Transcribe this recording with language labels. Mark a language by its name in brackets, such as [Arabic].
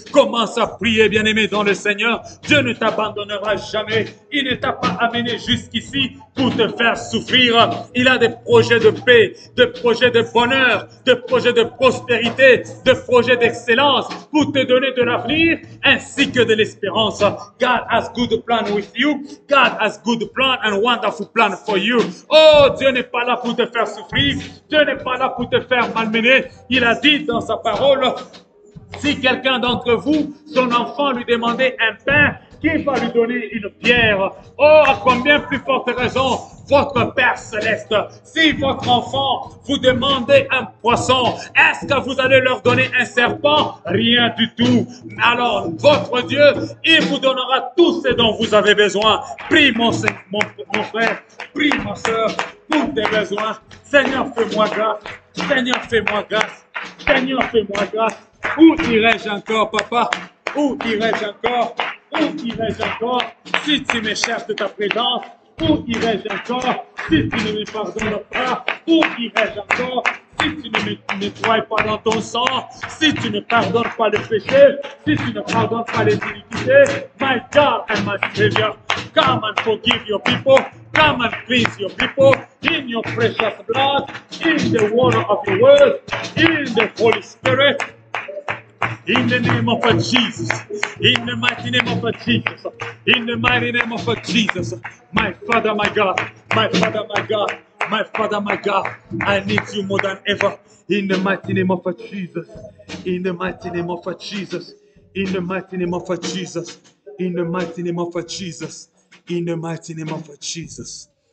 [French] Commence à prier, bien-aimé, dans le Seigneur. Dieu ne t'abandonnera jamais. Il ne t'a pas amené jusqu'ici pour te faire souffrir. Il a des projets de paix, des projets de bonheur, des projets de prospérité, des projets d'excellence pour te donner de l'avenir ainsi que de l'espérance. God has good plan with you. God has good plan and wonderful plan for you. Oh, Dieu n'est pas là pour te faire souffrir. Dieu n'est pas là pour te faire malmener. Il a dit dans sa parole, si quelqu'un d'entre vous, son enfant lui demandait un pain, qui va lui donner une pierre? Oh, à combien plus forte raison votre Père Céleste, si votre enfant vous demande un poisson, est-ce que vous allez leur donner un serpent? Rien du tout. Alors, votre Dieu, il vous donnera tout ce dont vous avez besoin. Prie mon frère, prie ma soeur, tous tes besoins. Seigneur, fais-moi grâce. Seigneur, fais-moi grâce. Seigneur, fais-moi grâce. Où irai-je encore, papa? Où irai-je encore? Où irai-je encore si tu me cherches de ta présence? Où irai-je encore si tu ne me pardonnes pas? Où irai-je encore si tu ne me nettoies pas dans ton sang? Si tu ne pardonnes pas les péchés? Si tu ne pardonnes pas les iniquités? [English] My God and my Savior, come and forgive your people. Come and cleanse your people in your precious blood, in the water of your word, in the Holy Spirit. In the name of Jesus, in the mighty name of Jesus, in the mighty name of Jesus, my Father, my God, my Father, my God, my Father, my God, I need you more than ever, in the mighty name of Jesus, in the mighty name of Jesus, in the mighty name of Jesus, in the mighty name of Jesus, in the mighty name of Jesus.